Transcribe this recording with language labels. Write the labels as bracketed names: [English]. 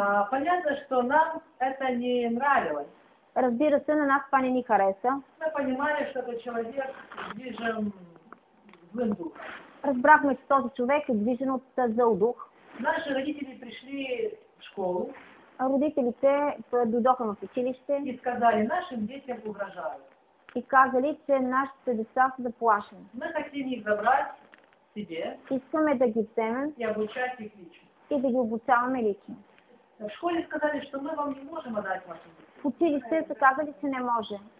[Russian] Понятно, что нам это не нравилось. [Bulgarian] Разбира се, на нас това не ни хареса. [Russian] Мы понимали, что этот человек движим злым духом. [Bulgarian] Разбрахме, че този човек е движен от зъл дух. [Russian] Наши родители пришли в школу. [Bulgarian] Родителите дойдоха в училище. [Russian] И сказали, нашим детям угрожают. [Bulgarian] И казали, че нашите деца са заплашени. [Russian] Мы хотим их забрать себе. [Bulgarian] Искаме да ги вземем. [Russian] И обучать их лично. [Bulgarian] И да ги обучаваме лично. [Russian] В школе сказали, что мы вам не можем отдать вашим детям. [Bulgarian] В училище са казали, че не може.